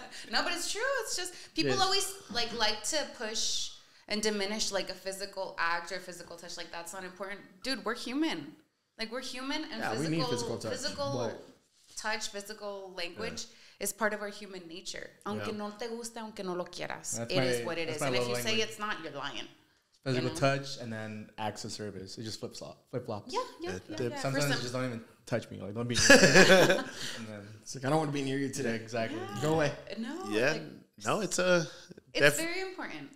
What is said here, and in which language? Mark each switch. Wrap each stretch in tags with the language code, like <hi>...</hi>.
<en>No, but it's true. It's just people always like to push and diminish like a physical act or physical touch. Like, that's not important. Dude, we're human. Like, we're human, and physical touch, physical language is part of our human nature.</en> <es>Aunque no te guste, aunque no lo quieras.</es> <en>It is what it is. And if you say it's not, you're lying. Physical touch and then acts of service. It just flip-flops. Yeah. Sometimes you just don't even touch me. Like, don't be near me. It's like, I don't want to be near you today. Exactly. Yeah. Go away. No. Yeah. Like, no, it's a... very important.</en>